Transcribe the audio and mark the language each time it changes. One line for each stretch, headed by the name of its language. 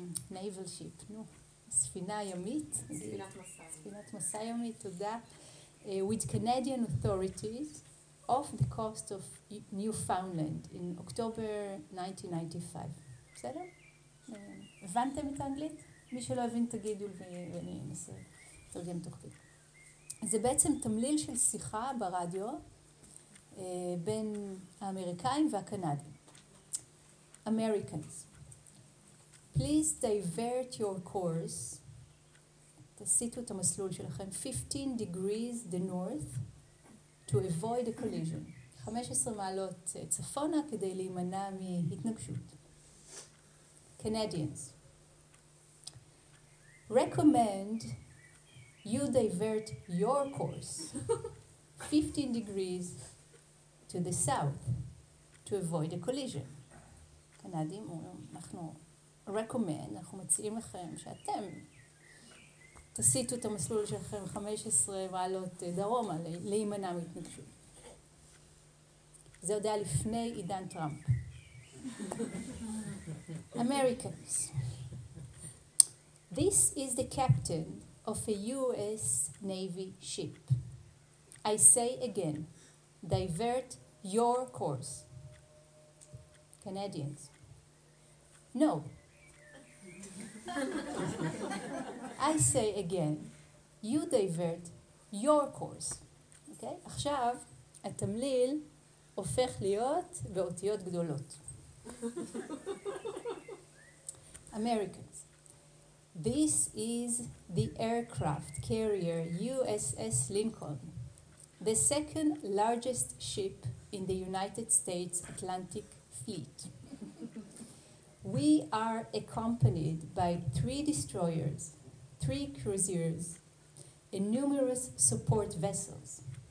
English: naval ship,
Hebrew: נו, ספינה ימית, ספינת מסע ימית, תודה,
English: with Canadian authorities, off the coast of Newfoundland in October 1995.
Hebrew: בסדר? הבנתם את האנגלית? מי שלא הבין תגידו ואני אנסה לתרגם תוך כדי. זה בעצם תמליל של שיחה ברדיו בין האמריקאים והקנדים.
English: Americans, please divert your course,
Hebrew: תסיטו את המסלול שלכם,
English: 15 degrees the north, to avoid a collision.
Hebrew: 15 מעלות צפונה כדי להימנע מהתנגשות.
English: Canadians, recommend you divert your course 15 degrees to the south to avoid a collision.
Hebrew: קנדים, אנחנו recommend, אנחנו מציעים לכם שאתם תסיטו את המסלול שלכם 15 מעלות דרומה להימנע מהתנגשות. זה עוד היה לפני עידן טראמפ.
English: Americans, this is the captain of a US Navy ship. I say again, divert your course. Canadians, no. I say again, you divert your course. Okay?
Hebrew: עכשיו התמליל הופך להיות באותיות גדולות.
English: Americans, this is the aircraft carrier USS Lincoln, the second largest ship in the United States Atlantic Fleet. We are accompanied by three destroyers, three cruisers, and numerous support vessels.